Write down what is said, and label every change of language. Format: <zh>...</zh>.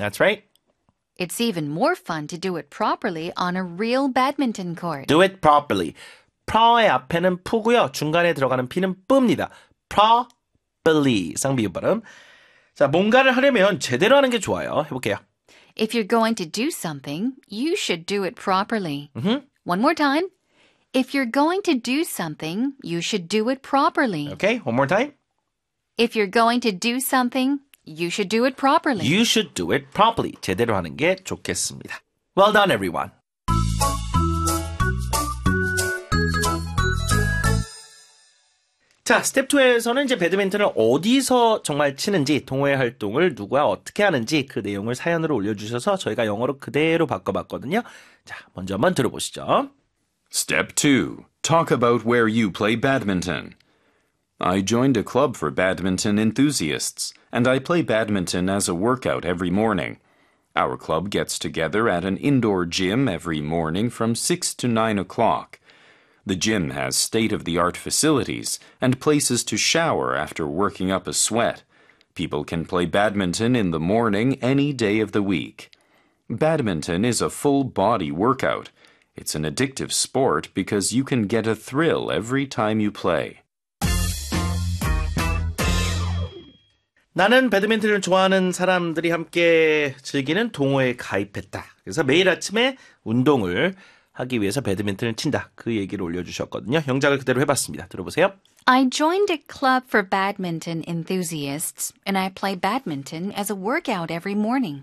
<en>That's right. It's even more fun to do it properly on a real badminton court. Do it properly.</en> <ko>Pro의 앞에는 푸고요. 중간에 들어가는 P는 뿝니다. Properly. 쌍비유 발음. 자, 뭔가를 하려면 제대로 하는 게 좋아요. 해볼게요.</ko> <en>If you're going to do something, you should do it properly. Mm-hmm. One more time. If you're going to do something, you should do it properly. Okay, one more time. If you're going to do something, you should do it properly. You should do it properly.</en> <ko>제대로 하는 게 좋겠습니다.</ko> <en>Well done, everyone.</en> <ko>Step 2에서는 이제 배드민턴을 어디서 정말 치는지, 동호회 활동을 누구와 어떻게 하는지 그 내용을 사연으로 올려주셔서 저희가 영어로 그대로 바꿔봤거든요. 자, 먼저 한번 들어보시죠.</ko> <en>Step 2. Talk about where you play badminton. I joined a club for badminton enthusiasts, and I play badminton as a workout every morning. Our club gets together at an indoor gym every morning from 6 to 9 o'clock. The gym has state-of-the-art facilities and places to shower after working up a sweat. People can play badminton in the morning any day of the week. Badminton is a full-body workout. It's an addictive sport because you can get a thrill every time you play.</en> <ko>나는 배드민턴을 좋아하는 사람들이 함께 즐기는 동호회에 가입했다. 그래서 매일 아침에 운동을 하기 위해서 배드민턴을 친다. 그 얘기를 올려주셨거든요. 영작을 그대로 해봤습니다. 들어보세요.</ko> <en>I joined a club for badminton enthusiasts and I play badminton as a workout every morning.</en>